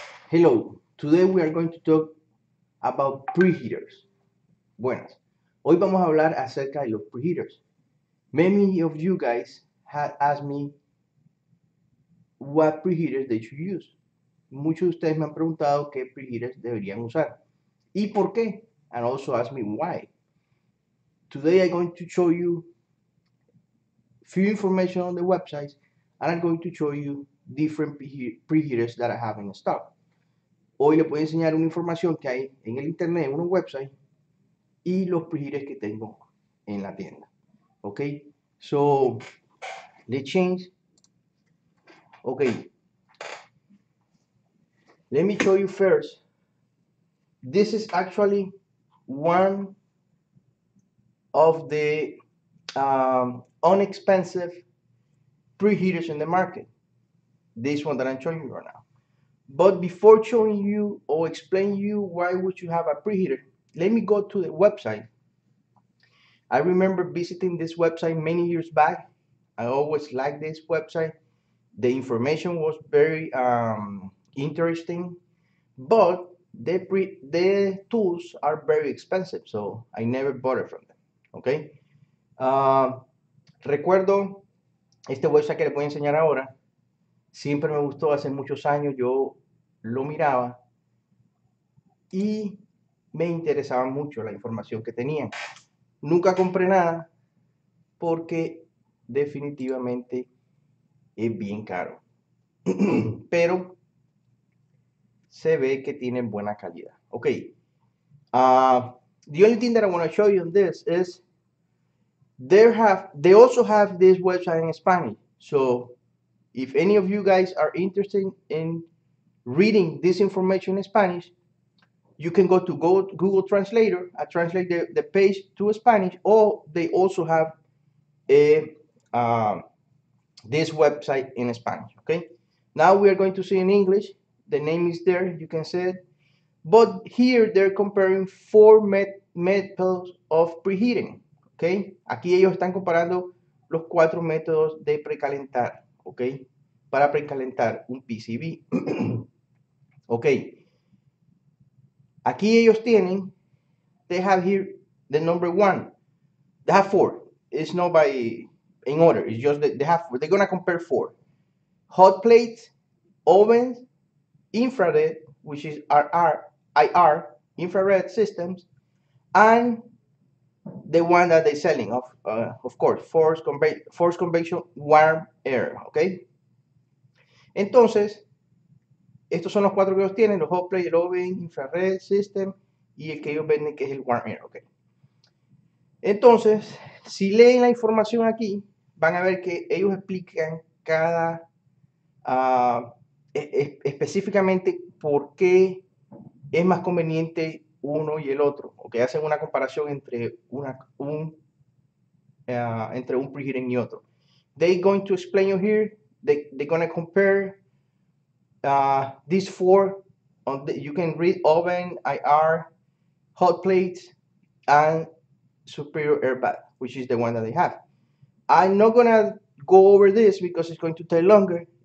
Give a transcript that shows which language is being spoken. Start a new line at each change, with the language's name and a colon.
English: Hello, today we are going to talk about preheaters.
Spanish: Buenas, hoy vamos a hablar acerca de los preheaters.
English: Many of you guys have asked me what preheaters they should use.
Spanish: Muchos de ustedes me han preguntado qué preheaters deberían usar y por qué,
English: and also asked me why. Today I'm going to show you few information on the websites, and I'm going to show you different preheaters that I have in stock.
Spanish: Hoy le puedo enseñar una información que hay en el internet, en un website, y los preheaters que tengo en la tienda.
English: Okay, so let's change. Okay, let me show you first. This is actually one of the inexpensive preheaters in the market. This one that I'm showing you right now. But before showing you or explain you why would you have a preheater, let me go to the website. I remember visiting this website many years back. I always liked this website. The information was very interesting, but the tools are very expensive, so I never bought it from them. Okay.
Spanish: Recuerdo este website que le voy a enseñar ahora. Siempre me gustó hace muchos años. Yo lo miraba y me interesaba mucho la información que tenía. Nunca compré nada porque definitivamente es bien caro, pero se ve que tiene buena calidad.
English: Okay. The only thing that I want to show you on this is they also have this website in Spanish. So if any of you guys are interested in reading this information in Spanish, you can go to Google Translator and translate the page to Spanish, or they also have this website in Spanish. Okay, now we are going to see in English. The name is there, you can see it, but here they're comparing four methods of preheating.
Spanish: Okay, aquí ellos están comparando los cuatro métodos de precalentar. Okay, para precalentar un PCB.
English: Okay,
Spanish: aquí ellos tienen,
English: they have here the number one, they have four, it's not by, in order, it's just that they have four. They're going to compare four: hot plates, ovens, infrared, which is IR, infrared systems, and the one that they're selling, of course, forced convection warm air, okay?
Spanish: Entonces, estos son los cuatro que ellos tienen, los hot plate, el oven, infrared, system, y el que ellos venden que es el warm air, okay. Entonces, si leen la información aquí, van a ver que ellos explican cada, específicamente por qué es más conveniente uno y el otro, o que hacen una comparación entre un preheating y otro.
English: They're going to explain you here, they're going to compare these four. On the, you can read oven, IR, hot plates, and superior airbag, which is the one that they have. I'm not gonna go over this because it's going to take longer.